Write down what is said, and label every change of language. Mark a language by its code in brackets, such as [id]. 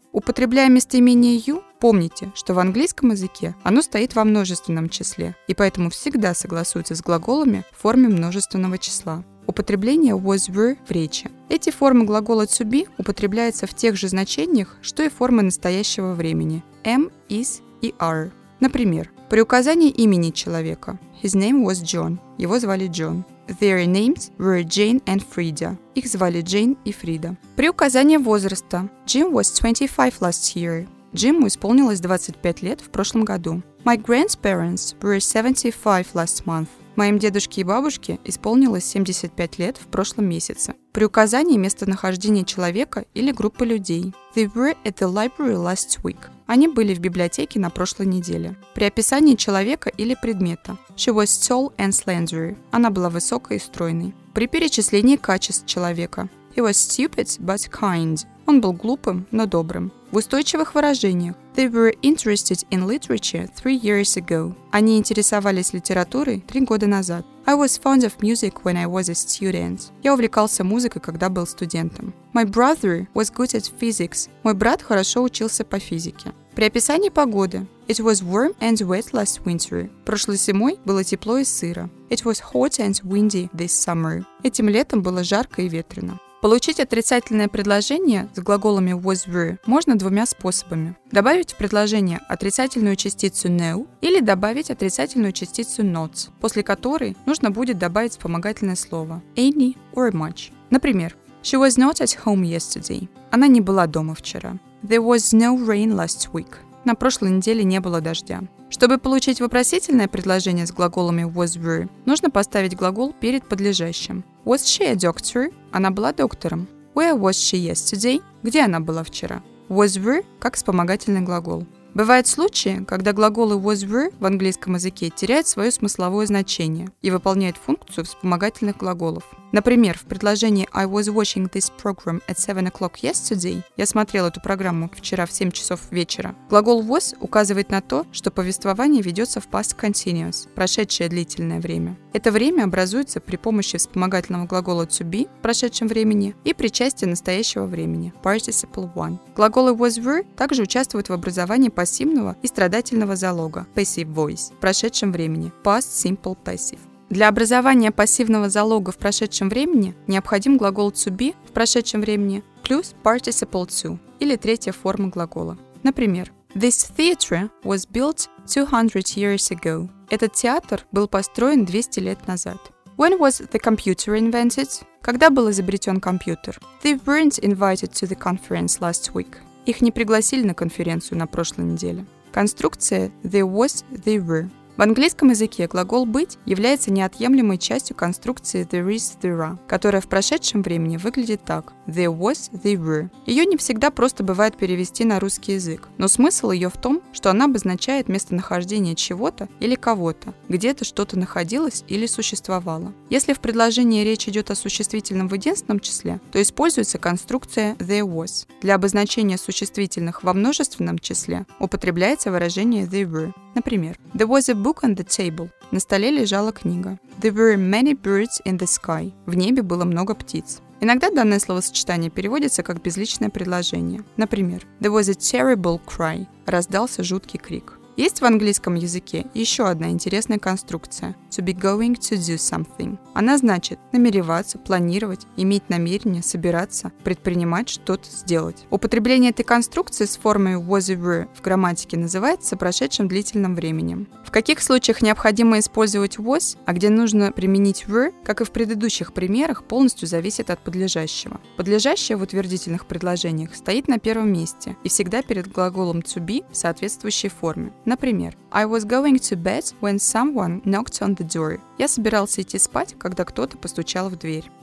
[ru] Употребляя местоимение you, помните, что в английском языке оно стоит во множественном числе и поэтому всегда согласуется с глаголами в форме множественного числа. Употребление was, were в речи. Эти формы глагола to be употребляются в тех же значениях, что и формы настоящего времени am, is и are. Например, при указании имени человека [en] his name was John, [ru] его звали Джон. [en] Their names were Jane and Frida. [ru] Их звали Джейн и Фрида. При указании возраста [en] Jim was 25 last year. [ru] Джиму исполнилось 25 лет в прошлом году. [en] My grandparents were 75 last month. [ru] Моим дедушке и бабушке исполнилось 75 лет в прошлом месяце. При указании местонахождения человека или группы людей. [en] They were at the library last week. [ru] Они были в библиотеке на прошлой неделе. При описании человека или предмета. [en] She was tall and slender. [ru] Она была высокой и стройной. При перечислении качеств человека. [en] He was stupid but kind. [ru] Он был глупым, но добрым. В устойчивых выражениях. [en] They were interested in literature 3 years ago. [ru] Они интересовались литературой 3 года назад. [en] I was fond of music when I was a student. [ru] Я увлекался музыкой, когда был студентом. [en] My brother was good at physics. [ru] Мой брат хорошо учился по физике. При описании погоды. [en] It was warm and wet last winter. [ru] Прошлой зимой было тепло и сыро. [en] It was hot and windy this summer. [ru] Этим летом было жарко и ветрено. Получить отрицательное предложение с глаголами was, were можно двумя способами. Добавить в предложение отрицательную частицу no или добавить отрицательную частицу not, после которой нужно будет добавить вспомогательное слово any or much. [en] Например, she was not at home yesterday. [ru] Она не была дома вчера. [en] There was no rain last week. [ru] На прошлой неделе не было дождя. Чтобы получить вопросительное предложение с глаголами was, were, нужно поставить глагол перед подлежащим. [en] Was she a doctor? [ru] Она была доктором. [en] Where was she yesterday? [ru] Где она была вчера? Was, were как вспомогательный глагол. Бывают случаи, когда глаголы was, were в английском языке теряют свое смысловое значение и выполняют функцию вспомогательных глаголов. Например, в предложении [en] I was watching this program at 7 o'clock yesterday, [ru] я смотрел эту программу вчера в 7 часов вечера, глагол was указывает на то, что повествование ведется в past continuous, прошедшее длительное время. Это время образуется при помощи вспомогательного глагола to be в прошедшем времени и причастия настоящего времени, participle one. Глаголы was, were также участвуют в образовании пассивного и страдательного залога, passive voice, в прошедшем времени, past simple passive. Для образования пассивного залога в прошедшем времени необходим глагол to be в прошедшем времени плюс participle to или третья форма глагола. [en] Например, This theater was built 200 years ago. [ru] Этот театр был построен 200 лет назад. [en] When was the computer invented? [ru] Когда был изобретен компьютер? [en] They weren't invited to the conference last week. [ru] Их не пригласили на конференцию на прошлой неделе. Конструкция they was, they were. В английском языке глагол «быть» является неотъемлемой частью конструкции «there is, there are», которая в прошедшем времени выглядит так – «there was, there were». Ее не всегда просто бывает перевести на русский язык, но смысл ее в том, что она обозначает местонахождение чего-то или кого-то, где-то что-то находилось или существовало. Если в предложении речь идет о существительном в единственном числе, то используется конструкция «there was». Для обозначения существительных во множественном числе употребляется выражение «there were». [en] Например, «there was a book on the table» – [ru] на столе лежала книга. [en] «There were many birds in the sky» – [ru] в небе было много птиц. Иногда данное словосочетание переводится как безличное предложение. [en] Например, «there was a terrible cry» – [ru] раздался жуткий крик. Есть в английском языке еще одна интересная конструкция – «to be going to do something». Она значит «намереваться», «планировать», «иметь намерение», «собираться», «предпринимать», «что-то сделать». Употребление этой конструкции с формой «was it were» в грамматике называется прошедшим длительным временем. В каких случаях необходимо использовать «was», а где нужно применить «were», как и в предыдущих примерах, полностью зависит от подлежащего. Подлежащее в утвердительных предложениях стоит на первом месте и всегда перед глаголом «to be» в соответствующей форме. [en] Например, «I was going to bed when someone knocked on the door». [ru] Я собирался идти спать, когда кто-то постучал в дверь.